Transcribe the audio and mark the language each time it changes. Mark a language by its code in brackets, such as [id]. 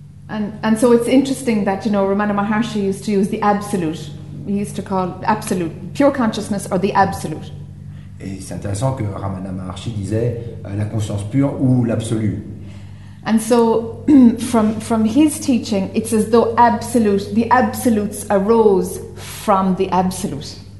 [en] And so it's interesting that, you know, Ramana Maharshi used to use the absolute. He used to call absolute pure consciousness or the absolute. [fr] Et c'est intéressant que Ramana Maharshi disait la conscience pure ou l'absolu. [en] And so from his teaching, it's as though absolute, the absolutes arose from the absolute.